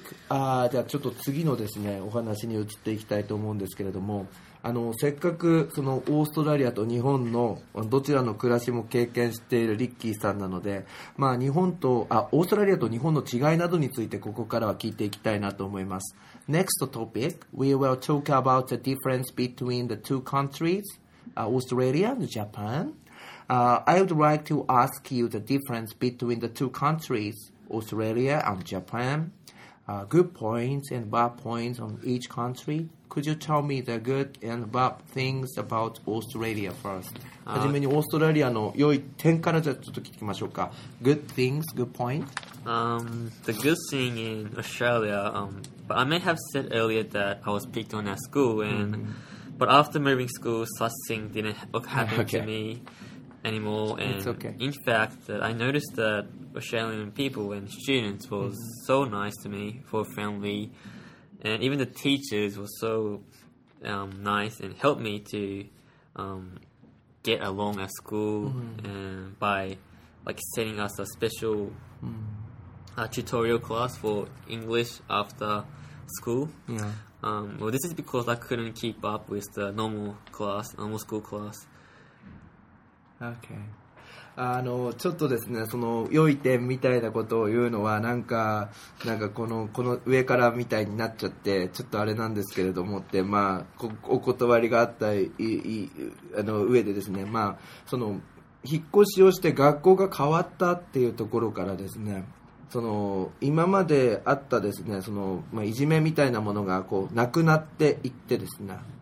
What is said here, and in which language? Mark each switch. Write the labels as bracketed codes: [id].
[ja] じゃあちょっと次のですね、お話に移っていきたいと思うんですけれども、あのせっかくそのオーストラリアと日本のどちらの暮らしも経験しているリッキーさんなので、まあ、日本とオーストラリアと日本の違いなどについてここからは聞いていきたいなと思います。 [en] NEXT TOPIC We will talk about the difference between the two countries、Australia and JapanI would like to ask you the difference between the two countries, Australia and Japan. Good points and bad points on each country. Could you tell me the good and bad things about Australia first? [ja] はじめにオーストラリアの良い点からちょっと聞きましょうか。 [en] Good things, good points. The good thing in Australia, but I may have said earlier that I was picked on at school, and, but after moving school, such thing didn't happen to me. anymore. And it's okay. In fact, that I noticed that Australian people and students was so nice to me, so friendly. And even the teachers were so nice and helped me to get along at school and by like sending us a special tutorial class for English after school. Well, this is because I couldn't keep up with the normal class, normal school class. Okay. [ja] あのちょっとですねその良い点みたいなことを言うのはなんかこの上からみたいになっちゃってちょっとあれなんですけれどもって、まあ、お断りがあったあの上でですね、まあ、その引っ越しをして学校が変わったっていうところからですねその今まであったですねその、まあ、いじめみたいなものがこうなくなっていってですね